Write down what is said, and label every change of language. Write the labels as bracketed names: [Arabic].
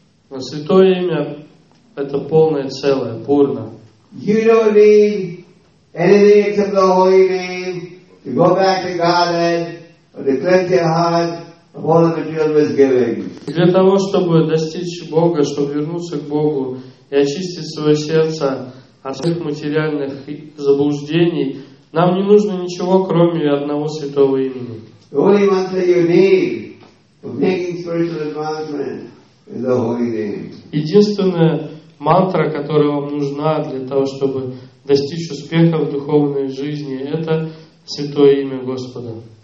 [Russian] Но святое имя это полное целое, пурна. [English] You don't need anything except the holy name to go back to Godhead or to cleanse your heart of all the material misgivings. [Russian] Для того, чтобы достичь Бога, чтобы вернуться к Богу и очистить свое сердце от всех материальных заблуждений, нам не нужно ничего, кроме одного святого имени. [English] The only one that you need for making spiritual advancement is the holy name. [Russian] Единственное мантра, которая вам нужна для того, чтобы достичь успеха в духовной жизни, это святое имя Господа.